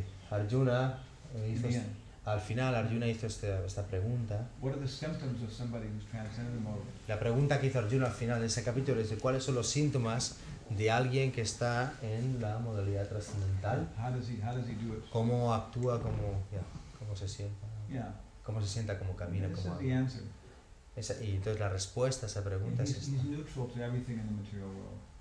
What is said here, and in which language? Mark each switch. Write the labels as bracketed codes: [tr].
[es] Arjuna hizo al final Arjuna hizo esta pregunta. [en] What are the symptoms of somebody who's transcended the mortal? [es] La pregunta que hizo Arjuna al final de ese capítulo es de cuáles son los síntomas de alguien que está en la modalidad trascendental. [en] How does he do it? [es] ¿Cómo actúa, cómo se sienta? ¿Cómo se sienta, cómo camina, cómo habla? Y entonces la respuesta a esa pregunta es esta. [en] He's neutral to everything in the material world.